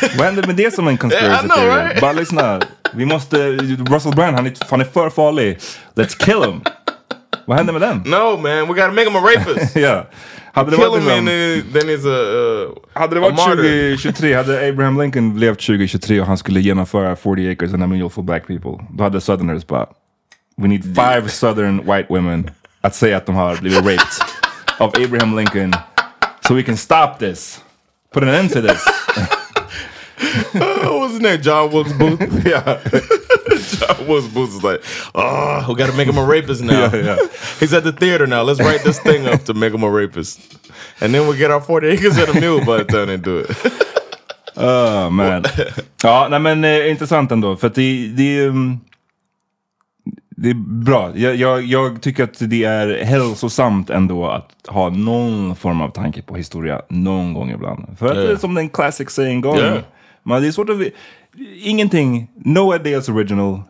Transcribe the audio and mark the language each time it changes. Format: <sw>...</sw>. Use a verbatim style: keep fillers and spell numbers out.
<sv>Vad händer med det som en conspiracy</sv> <en>yeah, theory? Right?</en> <sv>Bara lyssna. Vi måste, Russell Brand, han är, han är för farlig.</sv> <en>Let's kill him.</en> <sv>Vad händer med den?</sv> <en>No man, we gotta make him a rapist.</en> <sv>Ja. Hade det varit</sv> <en>him and then he's a, uh,</en> <sv>hade det varit tjugo tjugotre, hade Abraham Lincoln levt tjugo tjugotre och han skulle genomföra</sv> <en>forty acres and a mule for black people.</en> <sv>Då hade southerners bara,</sv> <en>we need five southern white women</en> <sv>att säga att de har blivit raped av Abraham Lincoln.</sv> <en>So we can stop this. Put an end to this. uh, what's his name? John Wilkes Booth? Yeah. John Wilkes Booth is like, oh, we got to make him a rapist now. Yeah, yeah. He's at the theater now. Let's write this thing up to make him a rapist. And then we'll get our forty acres and a mule by the time they do it.</en> <sv>Oh, man. Ja, nej, men eh, intressant ändå. För att det är... Det är bra. Jag, jag, jag tycker att det är hälsosamt ändå att ha någon form av tanke på historia någon gång ibland. För att yeah. det är som den classic saying går. Yeah. Men det är svårt att... Ingenting,</sv> <en>no ideas original.</en>